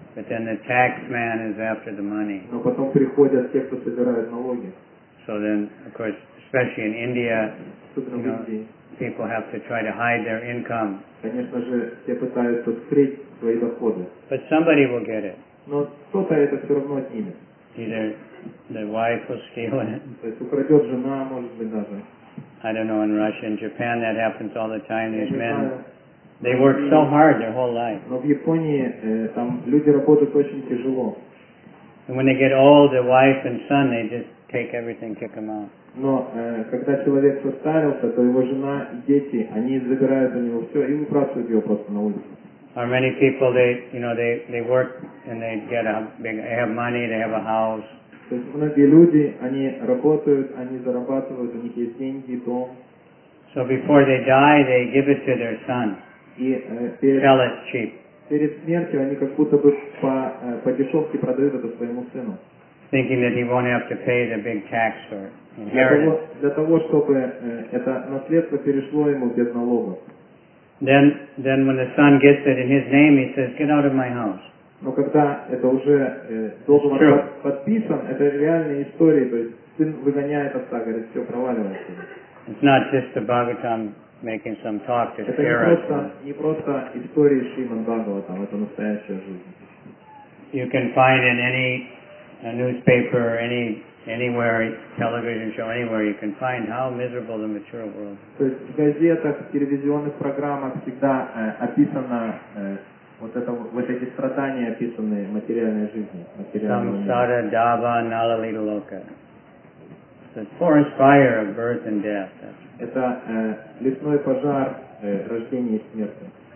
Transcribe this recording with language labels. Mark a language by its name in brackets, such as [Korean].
[English] But then the tax man is after the money. [Russian] Но потом приходят те, кто собирают налоги. [English] So then, of course, especially in India, you know, people have to try to hide their income. [Russian] Конечно же, все пытаются скрыть свои доходы. [English] But somebody will get it. [Russian] Но кто-то это все равно отнимет. [English] Either the wife will steal it. [Russian] То есть украдет жена, может быть даже. [English] I don't know. In Russia and Japan, that happens all the time. These men, they work so hard their whole life. [Russian] Но в Японии там люди работают очень тяжело. [English] And when they get old, the wife and son, they just take everything, kick them out. [Russian] Но когда человек состарился, то его жена и дети, они забирают у него все и выбрасывают его просто на улицу. [English] Or many people, they work and they get a big, they have money, they have a house. [Russian] То есть многие люди, они работают, они зарабатывают, у них есть деньги, дом. [English] So before they die, they give it to their son. [Russian] И [English] sell it cheap. [Russian] Перед смертью они как будто бы по дешевке продают это своему сыну. [English] Thinking that he won't have to pay the big tax for it. [Russian] Для того, чтобы это наследство перешло ему без налогов. [English] Then when the son gets it in his name, he says, "Get out of my house." [Russian] Но когда это уже должен подписан, это реальная история, то есть сын выгоняет отца, говорит, все проваливается. [English] It's not just the Bhagavatam making some talk to scare us. [Russian] Это не просто история Шримад Бхагаватам, это настоящая жизнь. [English] You can find in any newspaper or anywhere, television show, anywhere, you can find how miserable the material world is. [Russian] То есть в газетах, в телевизионных программах всегда описано вот это вот эти страдания описаны материальной жизни. [Sanskrit] Samsara, dava, nalalita loka. [English] The forest fire of birth and death. [Russian] Это лесной пожар рождения и смерти.